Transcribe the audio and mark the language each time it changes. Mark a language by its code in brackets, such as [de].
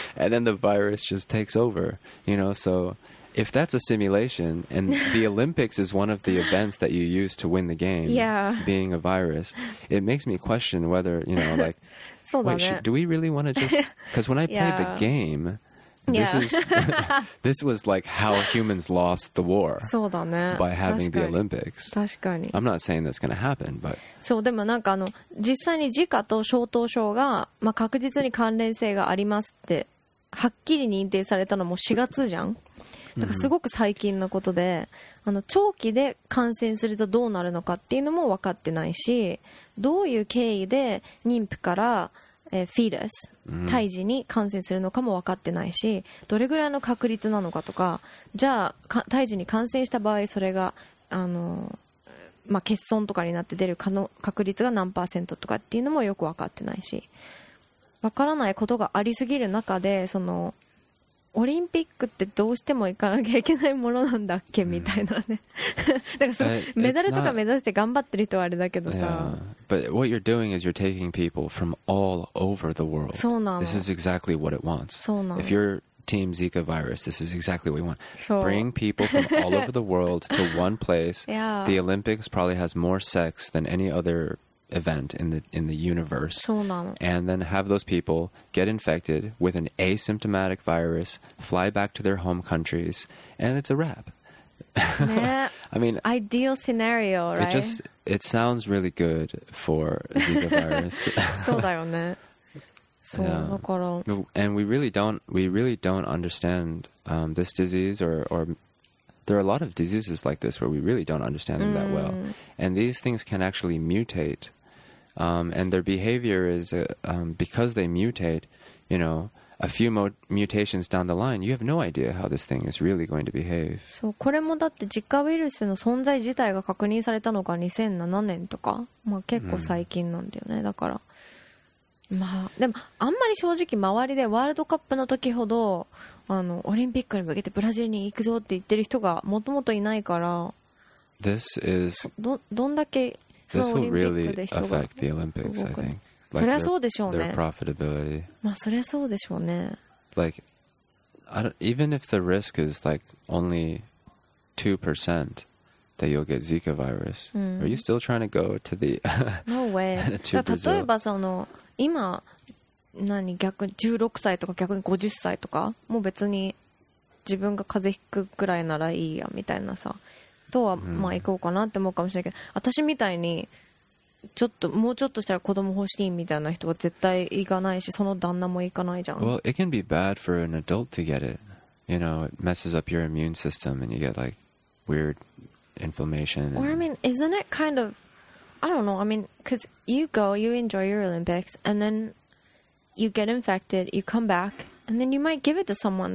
[en] And then the virus just takes over, you know? So if that's a simulation and the Olympics is one of the events that you use to win the game, being a virus, it makes me question whether, you know, like, wait, do we really want to just... Because when I played the game... This was like how humans lost the war. [ja] そうだね。 [en] By having the Olympics. [ja] 確かに。 [en] I'm not saying that's going to happen, but... [ja] そう、でもなんか実際にジカと小凍症が、まあ、確実に関連性がありますってはっきり認定されたのも4月じゃん。だからすごく最近のことで、長期で感染するとどうなるのかっていうのも分かってないし、どういう経緯で妊婦からフィーレス胎児に感染するのかも分かってないし、どれぐらいの確率なのかとか、じゃあ胎児に感染した場合それが欠損とかになって出る確率が何パーセントとかっていうのもよく分かってないし、分からないことがありすぎる中で、そのオリンピックってどうしても行かなきゃいけないものなんだっけみたいなね。だからメダルとか目指して頑張ってる人はあれだけどさ。 [en] But what you're doing is you're taking people from all over the world. [ja] そうなの。 [en] This is exactly what it wants. [ja] そうなの。 [en] If you're team Zika virus, this is exactly what you want. Bring people from all over the world to one place. Yeah. The Olympics probably has more sex than any other event in the universe. [ja] そうなの。 [en] And then have those people get infected with an asymptomatic virus, fly back to their home countries, and it's a wrap. I mean, ideal scenario, right? It sounds really good for Zika virus. [ja] そうだよね。 [en] And we really don't understand this disease or there are a lot of diseases like this where we really don't understand them that well. And these things can actually mutate. And their behavior is because they mutate, you know, a few mutations down the line, you have no idea how this thing is really going to behave. [ja] そう、これもだってジカウイルスの存在自体が確認されたのが2007年とか、まあ結構最近なんだよね。だから。まあ、でもあんまり正直周りでワールドカップの時ほどあのオリンピックに向けてブラジルに行くぞって言ってる人がもともといないから [en] This is, [ja] どんだけそのオリンピックで人が動く、そりゃそうでしょうね。 [en] Their profitability. [ja] まあそりゃそうでしょうね。 [en] Like, even if the risk is like only 2%that you'll get Zika virus, are you still trying to go to the no way to Brazil? [ja] 例えばその今何逆に16歳とか逆に50歳とかもう別に自分が風邪ひくくらいならいいやみたいなさとはまあ行こうかなって思うかもしれないけど、私みたいにちょっともうちょっとしたら子供欲しいみたいな人は絶対行かないし、その旦那も行かないじゃん。 [en] Well, it can be bad for an adult to get it. You know, it messes up your immune system and you get like weirdinflammation. Or I mean, isn't it kind of, I don't know, I mean, because you go, you enjoy your Olympics, and then you get infected, you come back, and then you might give it to someone.